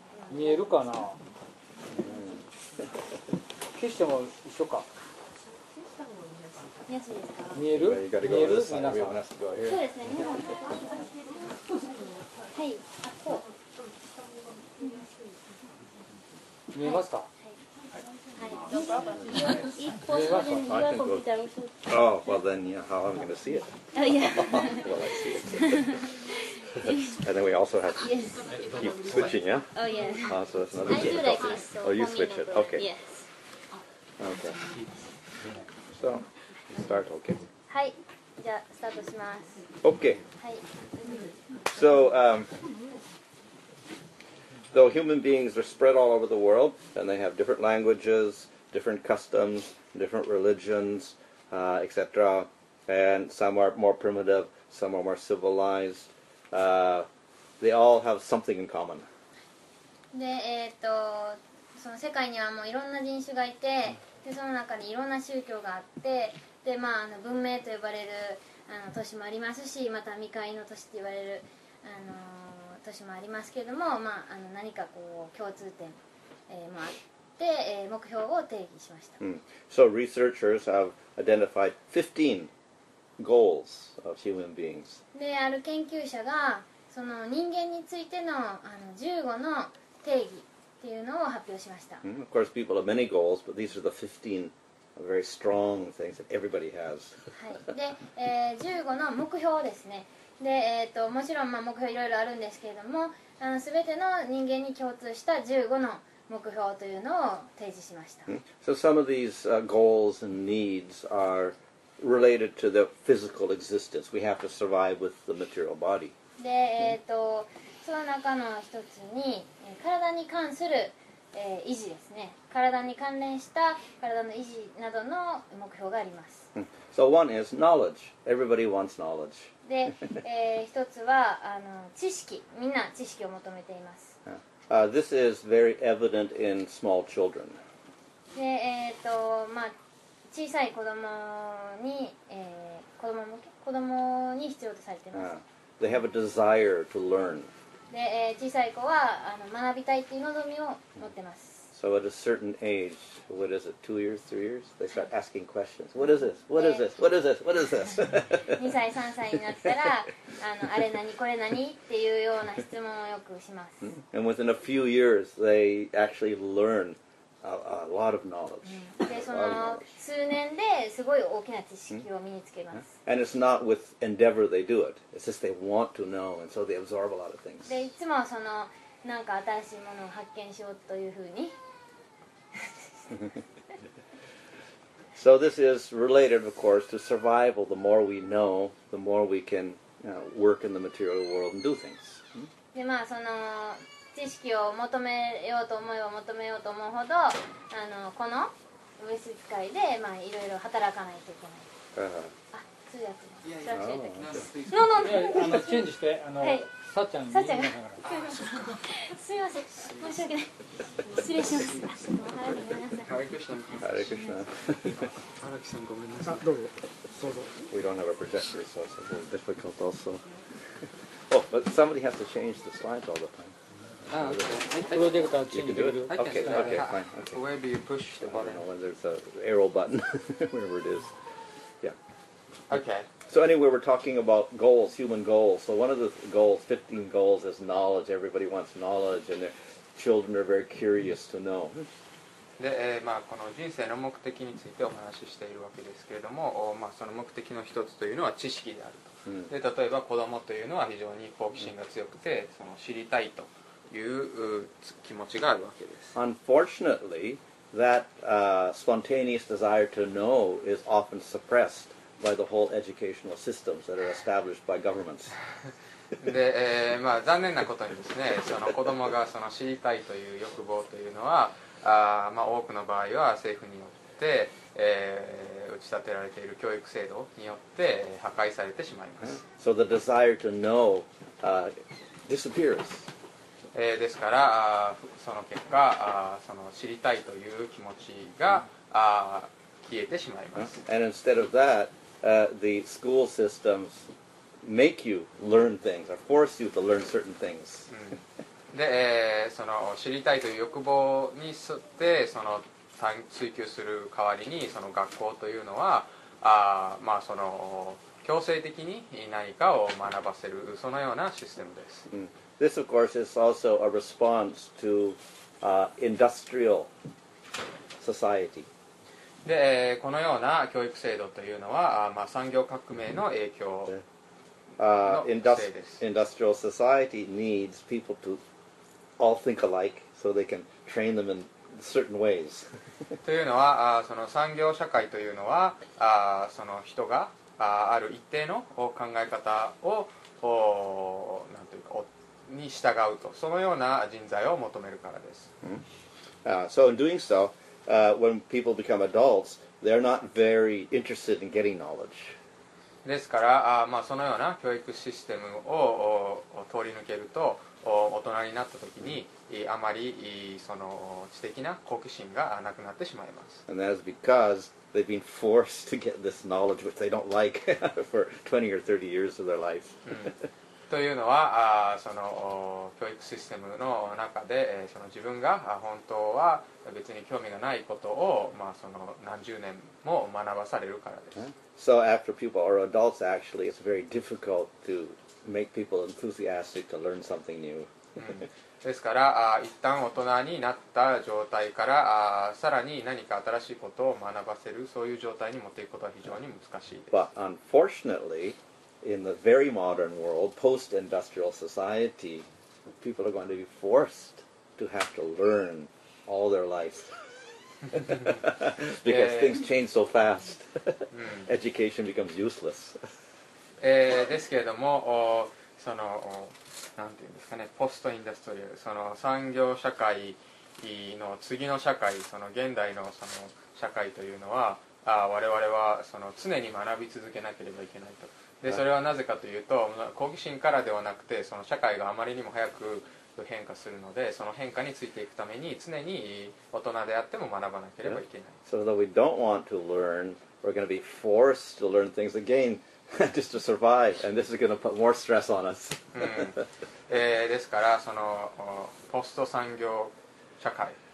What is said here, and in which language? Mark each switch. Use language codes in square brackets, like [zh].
[ja] 見えるかな、消しても一緒か、見える？見える？皆さん。そうですね。はい。あ、こう。見えますか？はい。一歩出るに二歩みたいな。 [en] Oh, well then, yeah, how am I going to see it? Oh, yeah. Well, I see it. And then we also have to keep switching, yeah? Oh, yeah. Oh, so that's another thing. I do like this. Oh, you switch it. Okay. Yes. Okay. So. Start, okay. [ja] はい、じゃあスタートします。 [en] Okay. [ja] はい。 [en] So, though human beings are spread all over the world, and they have different languages, different customs, different religions, etc., and some are more primitive, some are more civilized, they all have something in common. [ja] で、その世界にはもういろんな人種がいて、でその中にいろんな宗教があって。でまあ、文明と呼ばれる都市もありますし、また未開の都市と言われる都市もありますけれども、まあ、何かこう共通点、もあって、目標を定義しました。 [en] Mm. So researchers have identified 15 goals of human beings. [ja] で、ある研究者がその人間についての15の定義っていうのを発表しました。 [en] Mm. Of course, people have many goals, but these are the 15A very strong things that everybody has. [ja] で、15の目標ですね。で、もちろん、まあ、目標いろいろあるんですけれども、全ての人間に共通した15の目標というのを提示しました。 [en] So some of these goals and needs are related to the physical existence. We have to survive with the material body. [ja] で、その中の一つに、体に関する維持ですね。体に関連した体の維持などの目標があります。 [en] So one is knowledge. Everybody wants knowledge. [ja] で、一つは知識。みんな知識を求めています。 [en] This is very evident in small children. [ja] で、まあ、小さい子供に、子供に必要とされています。 [en] They have a desire to learn. [ja] で、小さい子は学びたいという望みを持ってます。 [en] So at a certain age, what is it, 2 years, 3 years, they start asking questions. What is this? What is this? What is this? What is this? [ja] 2歳、3歳になったら、あれ何、これ何っていうような質問をよくします。 [en] And within a few years, they actually learn a lot of knowledge. [ja] で、その数年ですごい大きな知識を身につけます。 [en] And it's not with endeavor they do it. It's just they want to know, and so they absorb a lot of things. [ja] で、いつもそのなんか新しいものを発見しようというふうに。 [en] So this is related, of course, to survival. The more we know, the more we can, you know, work in the material world and do things. [ja] で、まあ、その知識を求めようと思えば求めようと思うほど、あの、この物質界で、まあ、いろいろ働かないといけない。 [en] No, no, no. Change [ja] して、あの、サッチャンに言いながら。すみません、申し訳ない。失礼します。ハレクシナ。ハレクシナ。ハラキさん、ごめんなさい。どうぞ。どうぞ。 [en] We don't have a projector, so it's a little difficult also. Oh, but somebody has to change the slides all the time. [ja] プロジェクターチェンジ。 [en] Okay, okay, fine. Okay. Where do you push the button? I don't know, there's an arrow button, wherever it is. Okay. So anyway, we're talking about goals, human goals. So one of the goals, 15 goals, is knowledge. Everybody wants knowledge, and their children are very curious to know. [ja] で、まあ、この人生の目的についてお話ししているわけですけれども、まあ、その目的の一つというのは知識であると。で、例えば子供というのは非常に好奇心が強くて、その知りたいという気持ちがあるわけです。 [en] Unfortunately, that, spontaneous desire to know is often suppressed. By the whole educational systems that are established by governments. [ja] で、まあ、残念なことにですね、その子供がその知りたいという欲望というのは、まあ、多くの場合は政府によって、打ち立てられている教育制度によって破壊されてしまいます。 [en] So the desire to know, disappears. [ja] ですから、その結果、その知りたいという気持ちが、消えてしまいます。 [en] And instead of that,the school systems make you learn things or force you to learn certain things. [ja] で、その知りたいという欲望に沿ってその追求する代わりにその学校というのは、まあその強制的に何かを学ばせるそのようなシステムです。 [en] This of course is also a response to, industrial society. [ja] で、このような教育制度というのは、まあ、産業革命の影響のせいです。 [en] Industrial society needs people to all think alike so they can train them in certain ways. [ja] というのは、その産業社会というのは、その人が、ある一定の考え方を、なんというか、に従うと、そのような人材を求めるからです。 [en] So in doing so,when people become adults, they're not very interested in getting knowledge. [ja] ですから、まあ、そのような教育システムを通り抜けると、大人になった時に、あまりその知的な好奇心がなくなってしまいます。 [en] And that's because they've been forced to get this knowledge which they don't like for 20 or 30 years of their life. 、 [ja] というのは、その教育システムの中で、その自分が本当は別に興味がないことを、まあ、その何十年も学ばされるからです。 [en] So after people are adults, actually, it's very difficult to make people enthusiastic to learn something new. 、 [ja] ですから、一旦大人になった状態から、さらに何か新しいことを学ばせる、そういう状態に持っていくことは非常に難しいです。 [en] But unfortunately, in the very modern world, post-industrial society, people are going to be forced to have to learnall their life because things change so fast education becomes useless [ja] ですけれどもそのなんていうんですかねポストインダストリアその産業社会の次の社会その現代のその社会というのは我々はその常に学び続けなければいけないとでそれはなぜかというと好奇心からではなくてその社会があまりにも早く変化するので、その変化についていくために常に大人であっても学ばなければいけない。 [en] So that we don't want to learn, we're going to be forced to learn things again just to survive, and this is going to put more stress on us. 、 [ja] ですから、そのポスト産業社会。